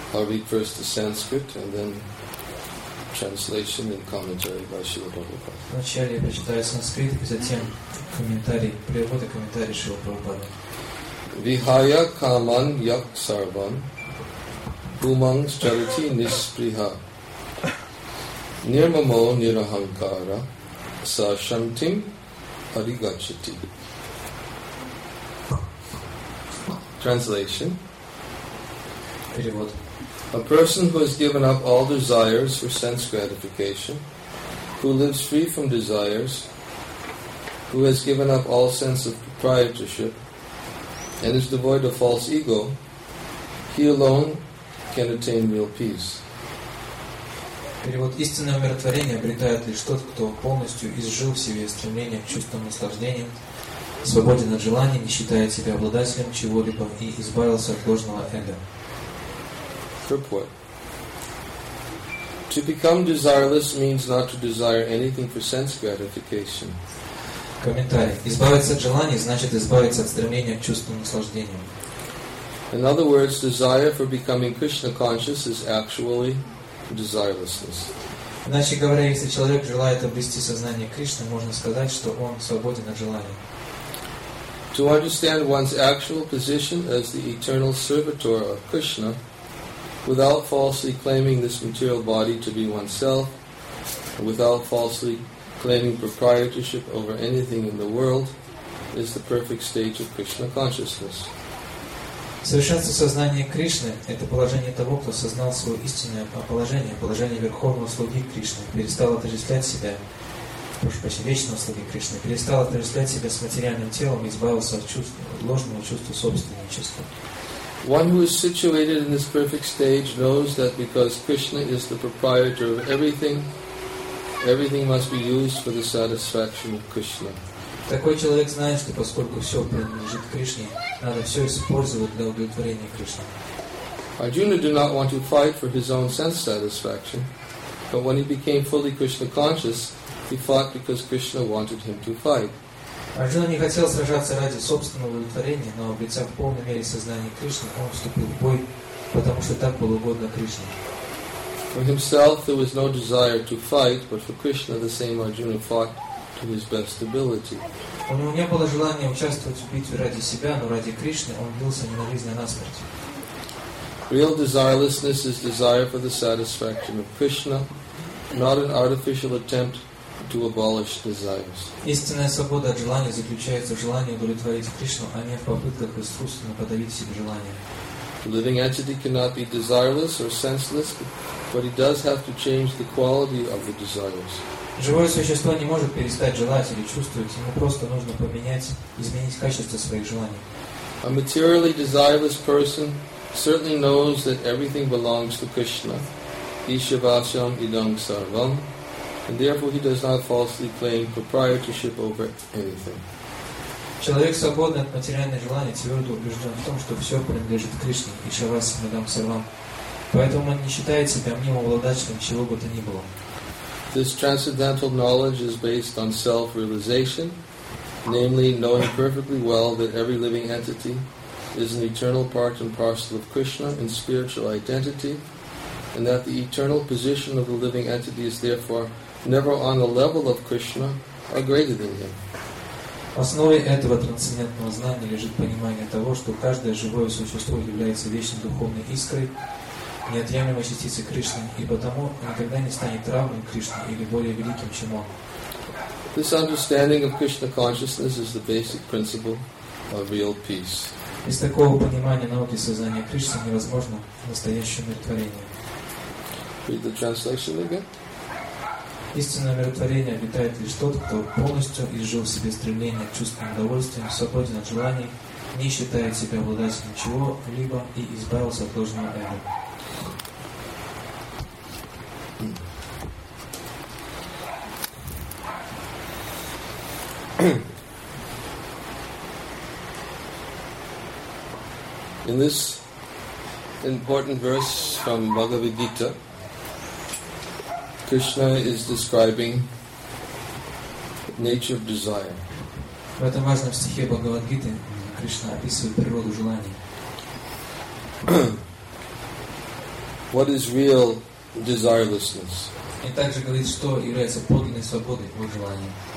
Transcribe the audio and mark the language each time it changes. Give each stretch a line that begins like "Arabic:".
English: I'll read first the Sanskrit and then translation and commentary by Srila Prabhupada.
Russian: Вначале я прочитаю санскрит, затем комментарий, перевод и комментарий Шрила Прабхупады.
Sanskrit: Vihaya kaman yak sarvan bhumang charati nispriha nirmamo nirahankara sa shantim arigachati.
English: Translation.
Russian: Перевод.
English: A person who has given up all desires for sense gratification, who lives free from desires, who has given up all sense of proprietorship, and is devoid of false ego, he alone can attain real peace.
Russian: Перевод. Истинное умиротворение обретает лишь тот, кто полностью изжил в себе стремление к чувственным наслаждениям, свободен от желаний, не считая себя обладателем чего-либо и избавился от ложного эго.
English: Purport. To become desireless means not to desire anything for sense gratification.
Russian: Комментарий. Избавиться от желаний значит избавиться от стремления к чувственным наслаждениям.
English: In other words, desire for becoming Krishna conscious is actually desirelessness.
Russian: Иначе говоря, если человек желает обрести сознание Кришны, можно сказать, что он свободен от желаний.
English: To understand one's actual position as the eternal servitor of Krishna, without falsely claiming this material body to be oneself, without falsely claiming proprietorship over anything in the world, is the perfect stage of Krishna consciousness.
Russian: Совершенство сознания Кришны – это положение того, кто осознал свое истинное положение, положение верховного слуги Кришны, перестал отождествлять себя, прошу прощения, вечного слуги Кришны, перестал отождествлять себя с материальным телом и избавился от чувства, от ложного чувства собственничества.
English: One who is situated in this perfect stage knows that because Krishna is the proprietor of everything, everything must be used for the satisfaction of Krishna.
Russian: Такой человек знает, что поскольку все принадлежит Кришне, надо все использовать для удовлетворения Кришны.
English: Arjuna did not want to fight for his own sense satisfaction, but when he became fully Krishna conscious, he fought because Krishna wanted him to fight.
Russian: Arjuna не хотел сражаться ради собственного удовлетворения, но обретя в полной мере сознание Кришны, он вступил в бой, потому что так было угодно Кришне.
English: For himself, there was no desire to fight, but for Krishna, the same Arjuna fought to his best ability.
Russian: У него не было желания участвовать в битве ради себя, но ради Кришны он бился не на жизнь, а на смерть.
English: Real desirelessness is desire for the satisfaction of Krishna, not an artificial attempt to abolish desires.
Russian: Истинная свобода от желания заключается в желании удовлетворить Кришну, а не в попытках искусственно подавить себе желание.
English: Living entity cannot be desireless or senseless, but he does have to change the quality of the desires.
Russian: Живое существо не может перестать желать или чувствовать, ему просто нужно изменить качество своих желаний.
English: A materially desireless person certainly knows that everything belongs to Krishna,
Sanskrit: Ishvasyam idam sarvam,
English: and therefore he does not falsely claim proprietorship over anything.
Russian: Человек свободный от материальных желаний твердо убежден в том, что все принадлежит Кришне,
Sanskrit: Ишвасьям идам сарвам,
Russian: поэтому он не считает себя мнимо обладателем чего бы то ни было.
English: This transcendental knowledge is based on self-realization, namely knowing perfectly well that every living entity is an eternal part and parcel of Krishna in spiritual identity, and that the eternal position of the living entity is therefore never on the level of Krishna or greater than him.
Russian: В основе этого трансцендентного знания лежит понимание того, что каждое живое существо является вечной духовной искрой, неотъемлемой частицей Кришны, и потому никогда не станет равным Кришне или более великим, чем он.
English: This understanding of Krishna consciousness is the basic principle of real peace.
Russian: Без такого понимания науки сознания Кришны невозможно настоящее умиротворение.
English: Read the translation again.
Russian: Истинное умиротворение обитает лишь тот, кто полностью изжил в себе стремление к чувственным удовольствиям, свободен от желаний, не считает себя обладателем чего-либо и избавился от ложного эго.
English: In this important verse from Bhagavad Gita, Krishna is describing the nature of desire.
Russian: В этом важном стихе Бхагавад Гиты Кришна описывает природу желаний.
English: What is real desirelessness?
Russian: И также говорит, что является подлинной свободой от желания.